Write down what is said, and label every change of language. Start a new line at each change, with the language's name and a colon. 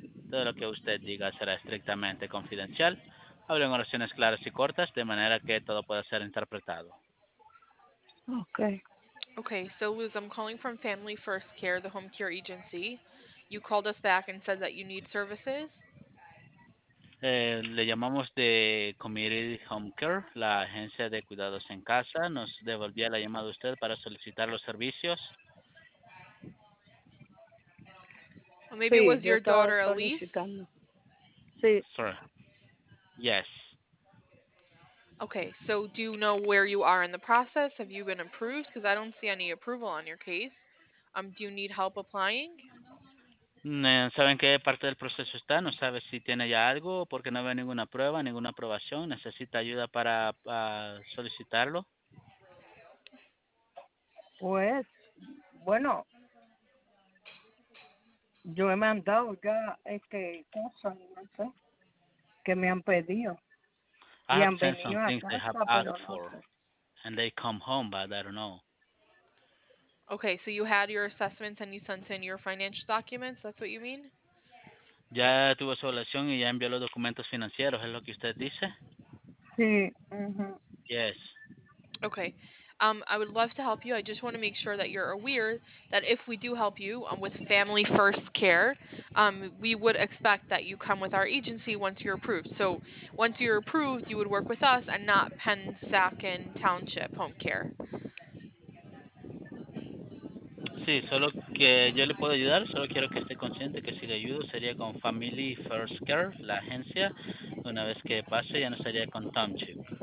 Spanish: Todo lo que usted diga será estrictamente confidencial. Hablo en oraciones claras y cortas, de manera que todo pueda ser interpretado.
English: Okay. Okay, so Luz, I'm calling from Family First Care, the home care agency. You called us back and said that you need services.
Spanish: Le llamamos de Community Home Care, la agencia de cuidados en casa. Nos devolvía la llamada a usted para solicitar los servicios.
English: Well, maybe
Spanish: sí,
English: it was your daughter, Elise?
Spanish: Sí.
English: Sorry. Yes. Okay, so do you know where you are in the process? Have you been approved? Because I don't see any approval on your case. Do you need help applying?
Spanish: ¿Saben qué parte del proceso está? ¿No sabe si tiene ya algo? Porque no veo ninguna prueba, ninguna aprobación. ¿Necesita ayuda para solicitarlo? Pues, bueno, yo he mandado ya cosas, no sé, que me han pedido.
English: I have sent some things they have asked for, and they come home, but I don't know. Okay, so you had your assessments and you sent in your financial documents, that's what you mean?
Spanish: Ya tuvo su evaluación y ya envió los documentos financieros, ¿es lo que usted dice? Sí. Mm-hmm.
English: Yes. Okay, I would love to help you. I just want to make sure that you're aware that if we do help you with Family First Care, we would expect that you come with our agency once you're approved. So once you're approved, you would work with us and not Pensacon Township Home Care.
Spanish: Sí, solo que yo le puedo ayudar, solo quiero que esté consciente que si le ayudo sería con Family First Care, la agencia. Una vez que pase, ya no sería con Township.